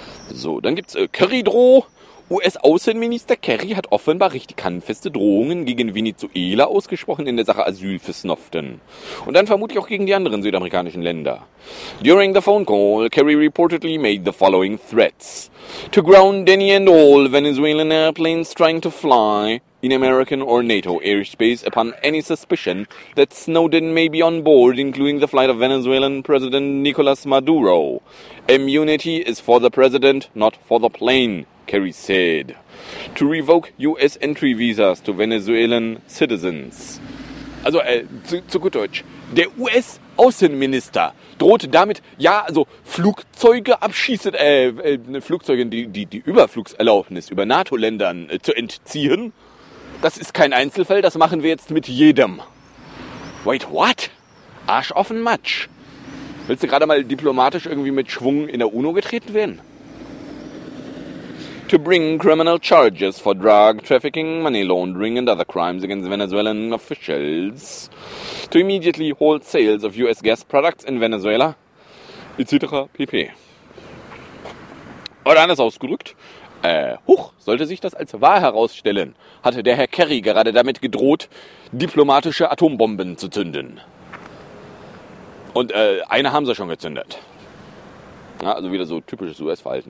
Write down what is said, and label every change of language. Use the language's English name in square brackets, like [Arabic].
[German] So, dann gibt's Curry-Droh. US-Außenminister Kerry hat offenbar richtig handfeste Drohungen gegen Venezuela ausgesprochen in der Sache Asyl für Snowden. Und dann vermutlich auch gegen die anderen südamerikanischen Länder. [English] During the phone call, Kerry reportedly made the following threats. To ground any and all Venezuelan airplanes trying to fly in American or NATO airspace upon any suspicion that Snowden may be on board, including the flight of Venezuelan President Nicolas Maduro. Immunity is for the president, not for the plane, Kerry said. To revoke US entry visas to Venezuelan citizens. [German] Also, zu gut Deutsch. Der US-Außenminister droht damit, ja, also Flugzeuge abschießen, Flugzeuge, die Überflugserlaubnis über NATO-Ländern zu entziehen. Das ist kein Einzelfall, das machen wir jetzt mit jedem. [English] Wait, what? [German] Arsch offen Matsch. Willst du gerade mal diplomatisch irgendwie mit Schwung in der UNO getreten werden? [English] To bring criminal charges for drug trafficking, money laundering and other crimes against Venezuelan officials. To immediately halt sales of US gas products in Venezuela. [German] Etc. pp. Oder anders ausgedrückt. Sollte sich das als wahr herausstellen, hatte der Herr Kerry gerade damit gedroht, diplomatische Atombomben zu zünden. Und eine haben sie schon gezündet. Ja, also wieder so typisches US-Verhalten.